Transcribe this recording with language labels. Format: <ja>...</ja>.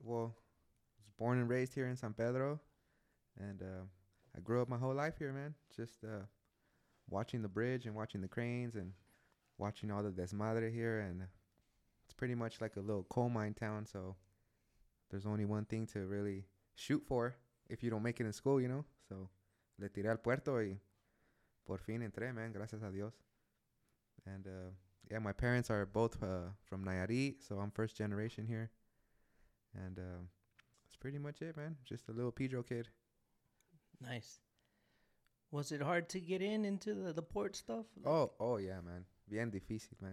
<en>Well, I was born and raised here in San Pedro. And I grew up my whole life here, man. Just watching the bridge and watching the cranes and watching all the desmadre here. And it's pretty much like a little coal mine town. So there's only one thing to really shoot for if you don't make it in school, you know.</en> <es>So le tiré al puerto y por fin entré, man. Gracias a Dios.</es> <en>And, yeah, my parents are both from Nayarit, so I'm first generation here. And that's pretty much it, man. Just a little Pedro kid. Nice. Was it hard to get in into the port stuff? Oh, yeah, man.</en> <es>Bien difícil,</es> <en>man.</en>